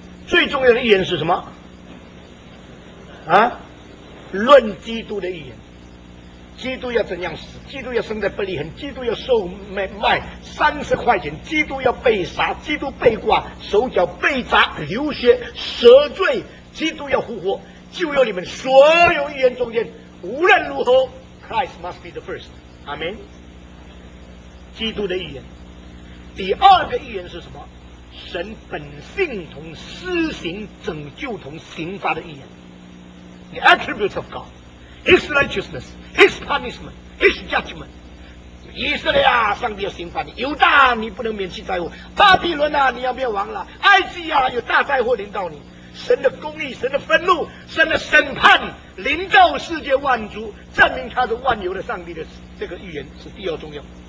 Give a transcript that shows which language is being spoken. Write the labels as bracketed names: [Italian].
[Chinese] 最重要的预言是什么？啊，论基督的预言，基督要怎样死，基督要生在伯利恒，基督要受卖30块钱，基督要被杀，基督被挂，手脚被扎，流血赎罪，基督要复活，就有你们所有预言中间，无论如何 [English] Christ must be the first， [Chinese] 阿们。基督的预言。第二个预言是什么？神本性同施行拯救同刑罚的预言。 [English] The attributes of God, His righteousness, His punishment, His judgment. [Chinese] 以色列啊，上帝要刑罚你；犹大，你不能免去灾祸；巴比伦啊，你要灭亡了；埃及啊，有大灾祸临到你。神的公义、神的愤怒、神的审判临到世界万族，证明他是万有的上帝的这个预言是第二重要。